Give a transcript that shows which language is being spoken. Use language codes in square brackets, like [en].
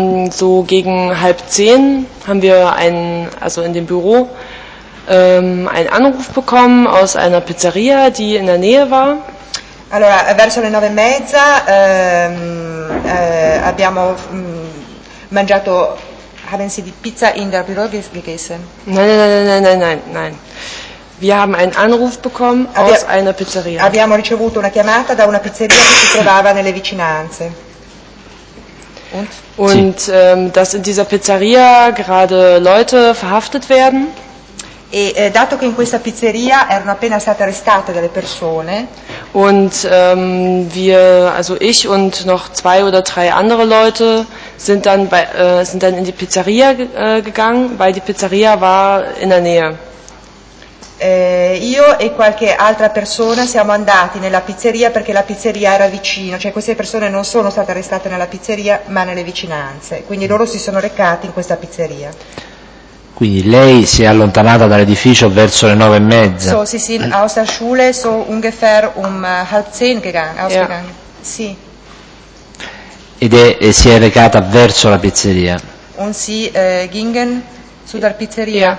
[de] So gegen 9:30 haben wir in dem Büro einen Anruf bekommen aus einer Pizzeria, die in der Nähe war. [it] Allora, verso le 9:30 abbiamo mangiato. [de] Haben Sie die Pizza in der Büro gegessen? Nein. Wir haben einen Anruf bekommen aus einer Pizzeria. [it] Abbiamo ricevuto una chiamata da una pizzeria che si trovava nelle vicinanze. [de] Und sì. Dass in dieser Pizzeria gerade Leute verhaftet werden. [it] E dato che in questa pizzeria erano appena state arrestate delle persone. [de] Und wir, also ich und noch 2 oder 3 andere Leute sind dann in die Pizzeria gegangen, weil die Pizzeria war in der Nähe. [it] Io e qualche altra persona siamo andati nella pizzeria perché la pizzeria era vicino, cioè queste persone non sono state arrestate nella pizzeria ma nelle vicinanze, quindi loro si sono recati in questa pizzeria. Quindi lei si è allontanata dall'edificio verso le 9:30. [de] So, sì, aus der Schule so ungefähr halb 10 gegangen, sì. [it] E si è recata verso la pizzeria. [de] Und sie gingen zu der Pizzeria.